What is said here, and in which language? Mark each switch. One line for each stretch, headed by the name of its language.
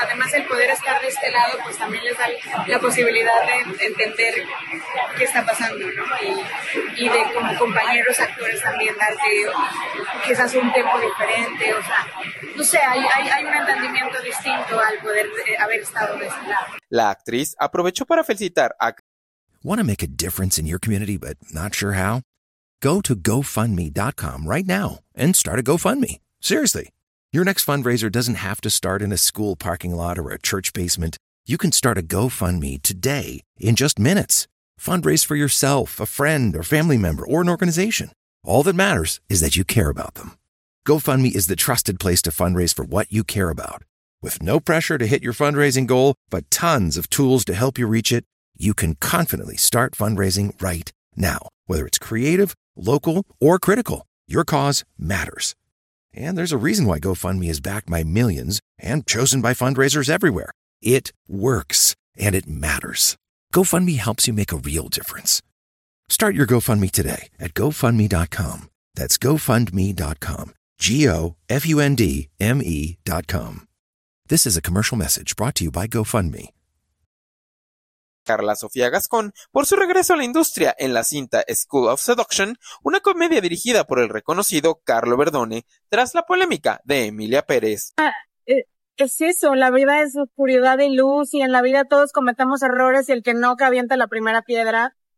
Spanish: Además, el poder estar de este lado pues también les da la posibilidad de entender qué está pasando, ¿no? Y de como compañeros actores también darte quizás un tempo diferente. O sea, no sé, hay un entendimiento distinto al poder haber estado de este lado. La actriz aprovechó para felicitar a...
English: Want to make a difference in your community but not sure how? Go to GoFundMe.com right now and start a GoFundMe. Seriously, your next fundraiser doesn't have to start in a school parking lot or a church basement. You can start a GoFundMe today in just minutes. Fundraise for yourself, a friend, or family member, or an organization. All that matters is that you care about them. GoFundMe is the trusted place to fundraise for what you care about. With no pressure to hit your fundraising goal, but tons of tools to help you reach it, you can confidently start fundraising right now. Whether it's creative, local, or critical, your cause matters. And there's a reason why GoFundMe is backed by millions and chosen by fundraisers everywhere. It works, and it matters. GoFundMe helps you make a real difference. Start your GoFundMe today at GoFundMe.com. That's GoFundMe.com. GoFundMe.com. This is a commercial message brought to you by GoFundMe.
Spanish: Carla Sofía Gascón por su regreso a la industria en la cinta School of Seduction, una comedia dirigida por el reconocido Carlo Verdone, tras la polémica de Emilia Pérez. Es eso, la vida es oscuridad y luz, y en la vida todos cometemos errores, y el que no, que avienta la primera piedra.